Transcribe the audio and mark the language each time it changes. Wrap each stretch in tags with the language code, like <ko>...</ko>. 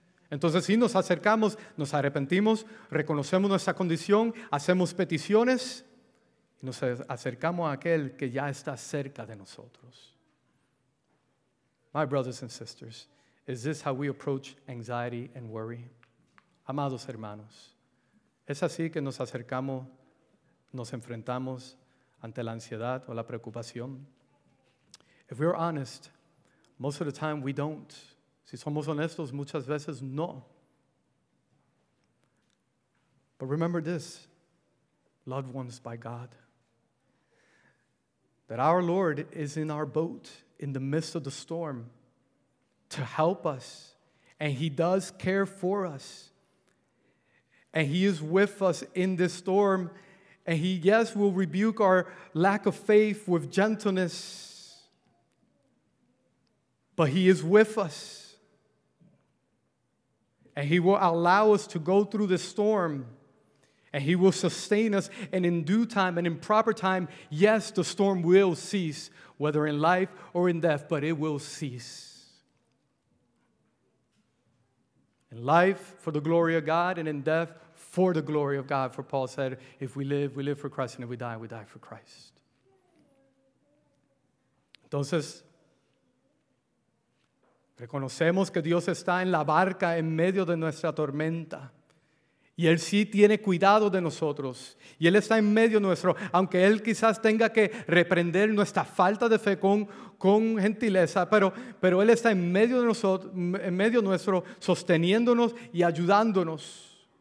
<es>Entonces, si nos acercamos, nos arrepentimos, reconocemos nuestra condición, hacemos peticiones, y nos acercamos a aquel que ya está cerca de nosotros.</es> <en>My brothers and sisters, is this how we approach anxiety and worry?</en> <es>Amados hermanos, ¿es así que nos acercamos, nos enfrentamos ante la ansiedad o la preocupación?</es> <en>If we're honest, most of the time we don't.</en> <es>Si somos honestos, muchas veces no.</es> <en>But remember this, loved ones by God, that our Lord is in our boat in the midst of the storm to help us, and he does care for us. And he is with us in this storm. And he, yes, will rebuke our lack of faith with gentleness. But he is with us. And he will allow us to go through the storm. And he will sustain us. And in due time and in proper time, yes, the storm will cease, whether in life or in death, but it will cease. In life, for the glory of God, and in death, for the glory of God, for Paul said, if we live, we live for Christ, and if we die, we die for Christ.</en> <es>Entonces, reconocemos que Dios está en la barca en medio de nuestra tormenta. Y Él sí tiene cuidado de nosotros. Y Él está en medio nuestro. Aunque Él quizás tenga que reprender nuestra falta de fe con gentileza, pero Él está en medio de nosotros, en medio nuestro, sosteniéndonos y ayudándonos.</es>